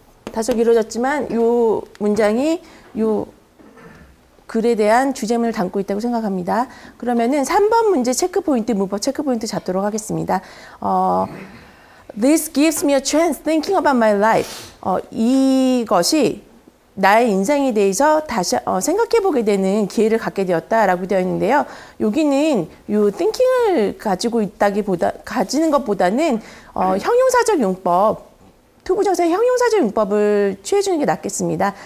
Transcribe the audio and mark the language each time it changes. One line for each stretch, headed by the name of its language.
Korean: 다소 길어졌지만 이 문장이 이 글에 대한 주제문을 담고 있다고 생각합니다. 그러면은 3번 문제 체크포인트 문법 체크포인트 잡도록 하겠습니다.
English: This gives me a chance thinking about my life.
Korean: 이것이 나의 인생에 대해서 다시 생각해보게 되는 기회를 갖게 되었다라고 되어 있는데요. 여기는 이 thinking을 가지고 있다기보다 가지는 것보다는 형용사적 용법 투부정사의 형용사적 용법을 취해주는 게 낫겠습니다.